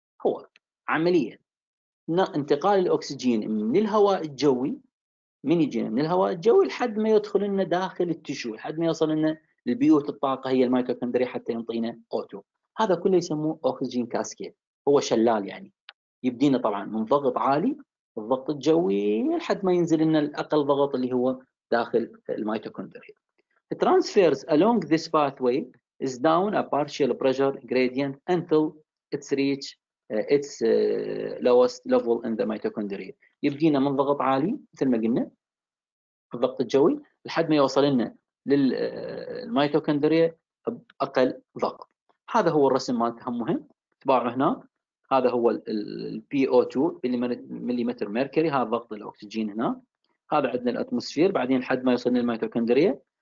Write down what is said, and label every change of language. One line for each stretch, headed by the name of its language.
Arabic: هو عملية انتقال الأوكسجين من الهواء الجوي، من يجي من الهواء الجوي لحد ما يدخل لنا داخل التشو، لحد ما يوصل لنا البيوت الطاقه هي الميتوكوندريا حتى ينطينا اوتو. هذا كله يسموه اوكسجين كاسكيد، هو شلال يعني يبدينا طبعا من ضغط عالي الضغط الجوي لحد ما ينزل لنا الاقل ضغط اللي هو داخل الميتوكوندريا.
English: The transfers along this pathway is down a partial pressure gradient until it's reach its lowest level in the mitochondria.
Arabic: يبدينا من ضغط عالي مثل ما قلنا الضغط الجوي لحد ما يوصل لنا للميتوكوندريا أقل ضغط. هذا هو الرسم مالته مهم تباعه هنا. هذا هو ال PO2 مليمتر ميركوري، هذا ضغط الأكسجين هنا، هذا عندنا الأتموسفير، بعدين لحد ما يوصل للميتوكوندريا